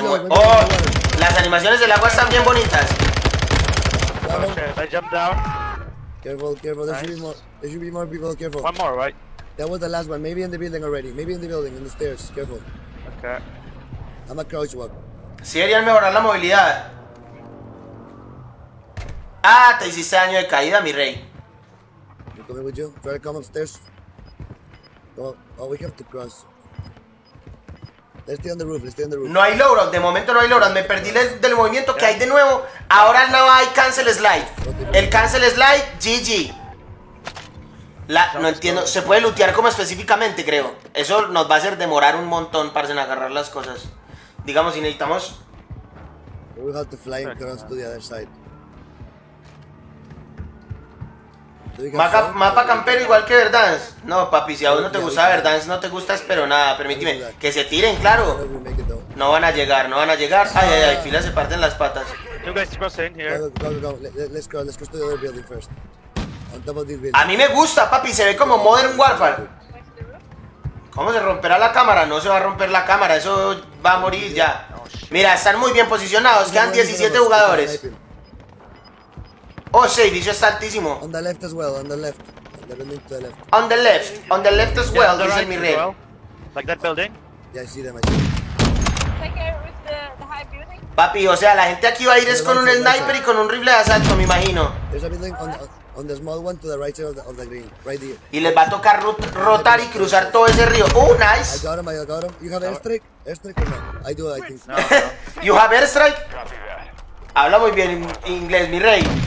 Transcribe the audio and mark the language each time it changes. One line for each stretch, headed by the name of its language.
Spanish: oh, las animaciones del agua están bien bonitas.
English: level. I jumped down. Careful, careful. There should be more. There should be more people. Careful. One more, right? That was the last one. Maybe in the building already. Maybe in the building, in the stairs. Careful. Okay. I'm a crouch walk.
Spanish: Si Ariel mejora la movilidad. Ah, te hiciste daño de caída, mi rey.
English: You coming with you? Try to come upstairs. Oh, we have to cross. Let's stay on the roof, let's stay on the roof.
Spanish: No hay logro, de momento no hay logro. Me perdí del movimiento que hay de nuevo. Ahora no hay cancel slide. El cancel slide, GG. No entiendo. Se puede lootear como específicamente, creo. Eso nos va a hacer demorar un montón para agarrar las cosas. Digamos, si necesitamos.
English: We have to fly and cross to the other side.
Spanish: Mapa campero igual que Verdansk. No, papi, si a vos no te gusta Verdansk, no te gustas, pero nada, permíteme. Que se tiren, claro. No van a llegar, no van a llegar. Ay, ay, ay, fila, se parten las patas.
English: You guys cross in here. Let's go to the other building first. On top of this building.
Spanish: A mí me gusta, papi, se ve como Modern Warfare. ¿Cómo se romperá la cámara? No se va a romper la cámara, eso va a morir ya. Mira, están muy bien posicionados, quedan 17 jugadores. Oh, sí, dice está altísimo.
English: On the left as well, on the left. On the building to the left. On the left as well,
Spanish: dice mi rey.
English: Like that building? Yeah, I see them, I see them. Take care with the high building.
Spanish: Papi, o sea, la gente aquí va a ir es con un sniper y con un rifle de asalto, me imagino.
English: There's a building on the small one to the right side of the green, right here.
Spanish: Y les va a tocar rotar y cruzar todo ese río.
English: Oh, nice. I got him. You have airstrike? Airstrike or no? I do, I think. No. You have airstrike?
Spanish: Habla muy bien inglés, mi rey.